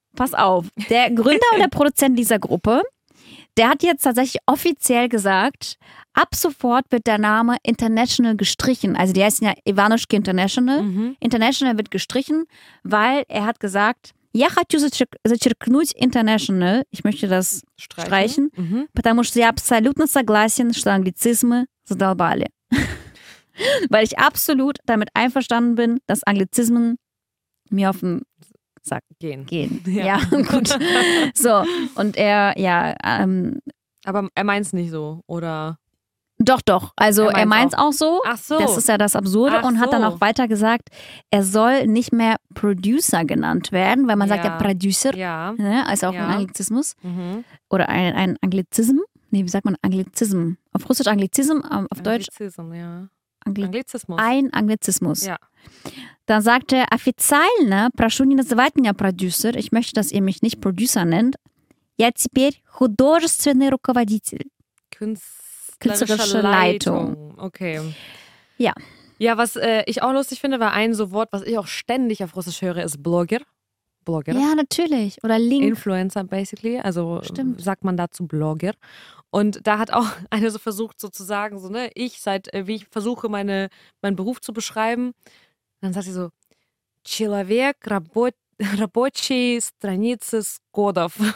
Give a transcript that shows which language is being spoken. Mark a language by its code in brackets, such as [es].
[de] Pass auf, der Gründer und der Produzent dieser Gruppe, der hat jetzt tatsächlich offiziell gesagt, ab sofort wird der Name International gestrichen. Also die heißen ja Ivanishki International. Mhm. International wird gestrichen, weil er hat gesagt, [ru] Я хочу зачеркнуть international. [de] Ich möchte das streichen. Mhm. [ru] Потому что я абсолютно согласен, что англицизмы задолбали. [de] Weil ich absolut damit einverstanden bin, dass Anglizismen mir auf den Sack gehen. Ja, gut. So, und er, ja. Aber er meint es nicht so, oder? Doch. Also er meint es auch so. Ach so. Das ist ja das Absurde. Ach und hat so. Dann auch weiter gesagt, er soll nicht mehr Producer genannt werden, weil man sagt ja Producer. Ja. Ne, ist auch ein Anglizismus. Mhm. Oder ein Anglizism. Nee, wie sagt man? Anglizism. Auf Russisch Anglizism, auf Deutsch. Anglizism, ja. Anglizismus. Ein Anglizismus. Ja. [ru] Dann sagt er, официально, прошу не называть меня Producer. [de] Ich möchte, dass ihr mich nicht Producer nennt. [ru] Я теперь художественный руководитель. [de] Künstlerische Leitung. Okay. Ja. Ja, was ich auch lustig finde, war ein so Wort, was ich auch ständig auf Russisch höre, ist Blogger. Blogger. Ja, natürlich. Oder Link. Influencer, basically. Also stimmt. Sagt man dazu Blogger. Und da hat auch eine so versucht, sozusagen, so, ne, ich, seit wie ich versuche, meinen Beruf zu beschreiben, dann sagt sie so: [ru] человек, рабочий страницы Skodov.